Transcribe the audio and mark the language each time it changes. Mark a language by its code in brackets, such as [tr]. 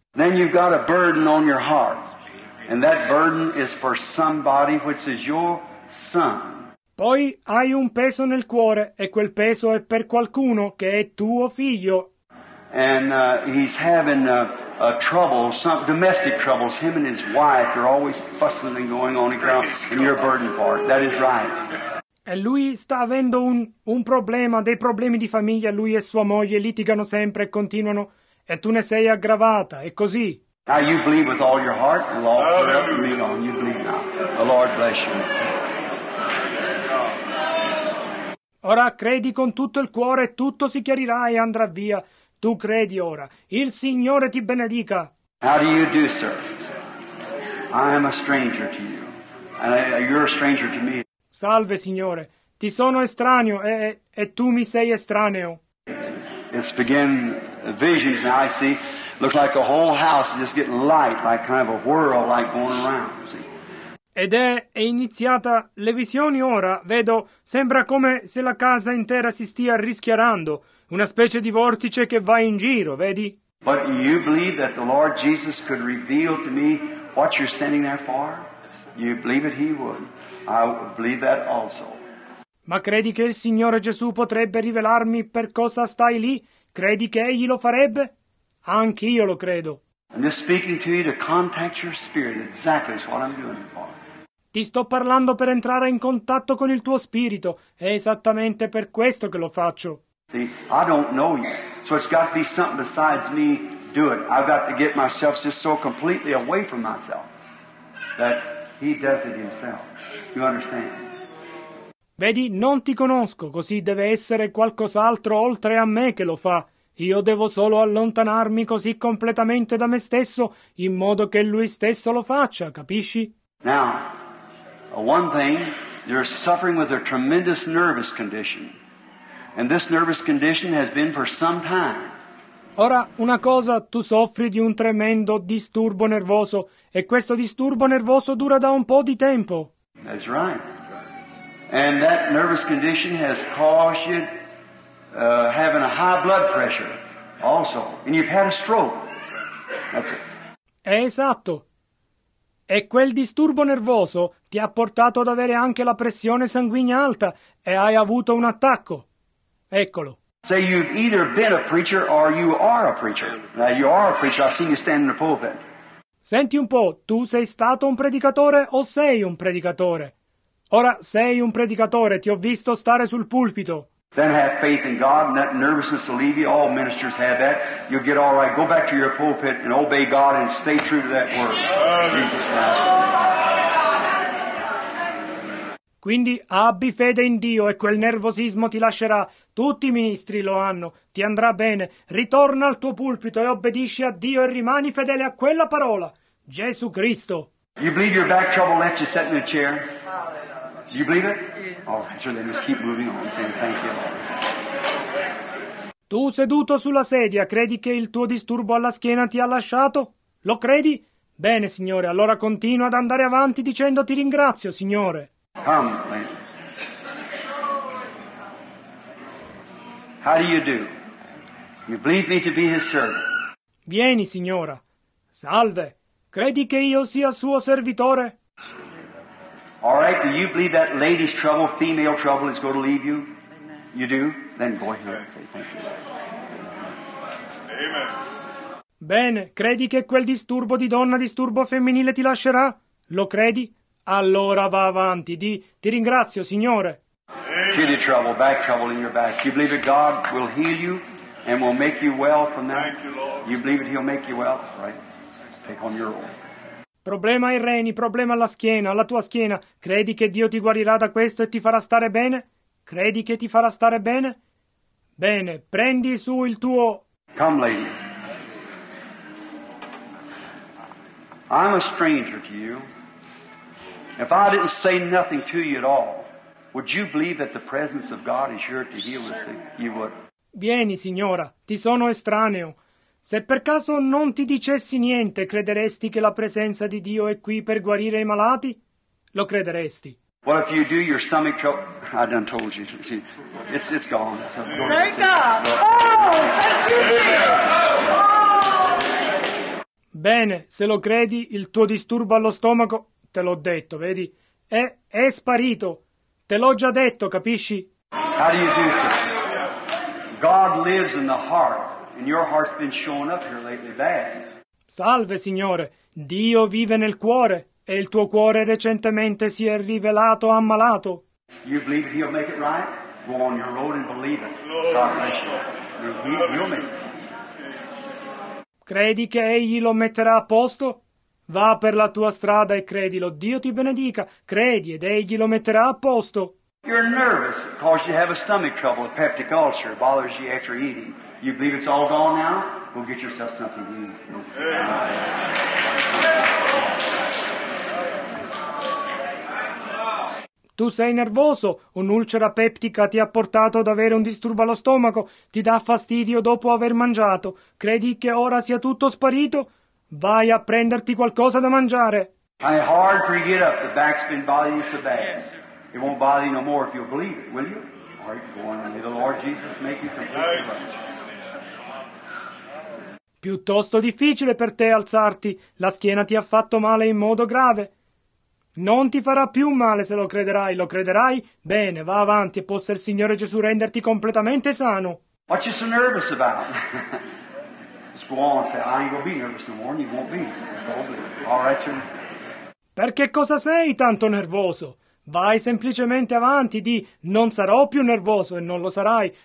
[en] Then you've got a burden on your heart, and that burden is for somebody which is your son. Poi hai un peso nel cuore, e quel peso è per qualcuno che è tuo figlio. And he's having a trouble, some domestic troubles. Him and his wife are always fussing and going on around, and you're a burden for it. That is right. [it] E lui sta avendo un problema, dei problemi di famiglia. Lui e sua moglie litigano sempre e continuano, e tu ne sei aggravata. È così. [en] Now you believe with all your heart, the Lord will help you lean on. You believe now. The Lord bless you. [it] Ora credi con tutto il cuore, tutto si chiarirà e andrà via. Tu credi ora. Il Signore ti benedica. [en] How do you do, sir? I am a stranger to you. And you're a stranger to me. [it] Salve, Signore. Ti sono estraneo e tu mi sei estraneo. [en] It's begin visions now, I see. Looks like a whole house is just getting light, like kind of a whirl, like going around, see. [it] Ed è iniziata le visioni ora. Vedo, sembra come se la casa intera si stia rischiarando. Una specie di vortice che va in giro, vedi? [en] But you believe that the Lord Jesus could reveal to me what you're standing there for? You believe it? He would. I believe that also. [it] Ma credi che il Signore Gesù potrebbe rivelarmi per cosa stai lì? Credi che Egli lo farebbe? Anch'io lo credo. [en] I'm just speaking to you to contact your spirit. Exactly what I'm doing for. [it] Ti sto parlando per entrare in contatto con il tuo spirito. È esattamente per questo che lo faccio. [en] See, I don't know you, so it's got to be something besides me do it. I've got to get myself just so completely away from myself that he does it himself. You understand? [it] Vedi, non ti conosco, così deve essere qualcos'altro oltre a me che lo fa. Io devo solo allontanarmi così completamente da me stesso in modo che lui stesso lo faccia, capisci? [en] Now, one thing, you're suffering with a tremendous nervous condition. And this nervous condition has been for some time. [it] Ora, una cosa, tu soffri di un tremendo disturbo nervoso, e questo disturbo nervoso dura da un po' di tempo. [en] That's right. And that nervous condition has caused you having a high blood pressure also. And you've had a stroke. That's it. [it] È esatto. E quel disturbo nervoso ti ha portato ad avere anche la pressione sanguigna alta, e hai avuto un attacco. Eccolo. [en] Say you've either been a preacher or you are a preacher. Now you are a preacher. I see you standing in the pulpit. [it] Senti un po', tu sei stato un predicatore o sei un predicatore? Ora sei un predicatore, ti ho visto stare sul pulpito. [en] Then have faith in God and that nervousness will leave you. All ministers have that. You'll get all right. Go back to your pulpit and obey God and stay true to that word. Jesus Christ. [it] Quindi abbi fede in Dio e quel nervosismo ti lascerà. Tutti i ministri lo hanno. Ti andrà bene. Ritorna al tuo pulpito e obbedisci a Dio e rimani fedele a quella parola. Gesù Cristo. [en] You believe your back trouble left you sitting in a chair? You believe it? Yes. Oh, so then just keep moving on. Saying thank you. [it] Tu seduto sulla sedia, credi che il tuo disturbo alla schiena ti ha lasciato? Lo credi? Bene, Signore, allora continua ad andare avanti dicendo ti ringrazio, Signore. [en] Come, lady. How do you do? You believe me to be his servant. [it] Vieni, signora. Salve. Credi che io sia suo servitore? [en] All right, do you believe that lady's trouble, female trouble, is going to leave you? Amen. You do? Then go ahead and say thank you. Amen. [it] Bene, credi che quel disturbo di donna, disturbo femminile, ti lascerà? Lo credi? Allora va avanti, di. Ti ringrazio, signore. [en] Kidney trouble, back trouble in your back. You believe that God will heal you and will make you well from that? Thank you, Lord. You believe that He'll make you well? Right. Take on your role. [it] Problema ai reni, problema alla schiena, alla tua schiena. Credi che Dio ti guarirà da questo e ti farà stare bene? Credi che ti farà stare bene? Bene, prendi su il tuo... [en] Come, lady. I'm a stranger to you. If I didn't say nothing to you at all, would you believe that the presence of God is here to heal this thing? You would. [it] Vieni, signora, ti sono estraneo. Se per caso non ti dicessi niente, crederesti che la presenza di Dio è qui per guarire i malati? Lo crederesti. [en] Well, if you do, your stomach trouble... I done told you. It's gone. Thank God. Oh, thank you, dear. [it] Bene, se lo credi, il tuo disturbo allo stomaco, te l'ho detto, vedi? È sparito. Te l'ho già detto, capisci? [en] How do you do, sister? God lives in the heart, and your heart's been showing up here lately bad. [it] Salve, signore. Dio vive nel cuore, e il tuo cuore recentemente si è rivelato ammalato. [en] You believe he'll make it right? Go on your road and believe it. God bless you. He'll make it. [it] Credi che egli lo metterà a posto? Va per la tua strada e credilo. Dio ti benedica. Credi ed egli lo metterà a posto. [en] You're nervous because you have a stomach trouble, a peptic ulcer, bothers you after eating. You believe it's all gone now? Go get yourself something to eat. [it] Tu sei nervoso. Un'ulcera peptica ti ha portato ad avere un disturbo allo stomaco. Ti dà fastidio dopo aver mangiato. Credi che ora sia tutto sparito? Vai a prenderti qualcosa da mangiare. [en] It's hard for you to get up. The back's been bothering you so bad. It won't bother you no more if you'll believe it, will you? All right, go on. May the Lord Jesus make you completely right. [it] Piuttosto difficile per te alzarti. La schiena ti ha fatto male in modo grave. Non ti farà più male se lo crederai. Lo crederai? Bene, va avanti e possa il Signore Gesù renderti completamente sano. [en] What you so nervous about? Just go on and say, I ain't gonna be nervous no more and you won't be. All right, sir. [it] Perché cosa sei tanto nervoso? Vai semplicemente avanti, di non sarò più nervoso e non lo sarai.